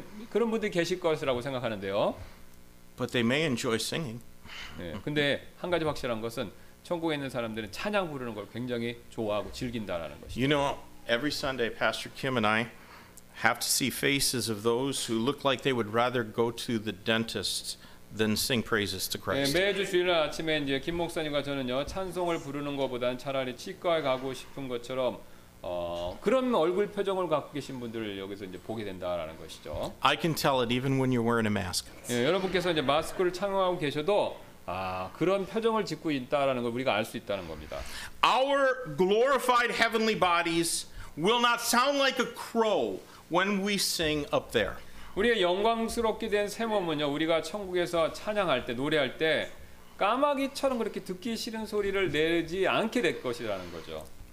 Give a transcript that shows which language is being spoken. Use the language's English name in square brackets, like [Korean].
[Korean] 그런 분들이 계실 것이라고 생각하는데요. [English] But they may enjoy singing. [Korean] 네, 근데 한 가지 확실한 것은 천국에 있는 사람들은 찬양 부르는 걸 굉장히 좋아하고 즐긴다라는 것이죠. [English] You know, every Sunday, Pastor Kim and I have to see faces of those who look like they would rather go to the dentist than sing praises to Christ. [Korean] 네, 매주 주일 아침에 이제 김 목사님과 저는요 찬송을 부르는 것보다는 차라리 치과에 가고 싶은 것처럼. 그런 얼굴 표정을 갖고 계신 분들을 여기서 이제 보게 된다라는 것이죠. [English] I can tell it even when you're wearing a mask. [Korean] 예, 여러분께서 이제 마스크를 착용하고 계셔도 아, 그런 표정을 짓고 있다라는 걸 우리가 알 수 있다는 겁니다. [English] Our glorified heavenly bodies will not sound like a crow when we sing up there. [Korean] 우리의 영광스럽게 된 새 몸은요, 우리가 천국에서 찬양할 때, 노래할 때 까마귀처럼 그렇게 듣기 싫은 소리를 내지 않게 될 것이라는 거죠.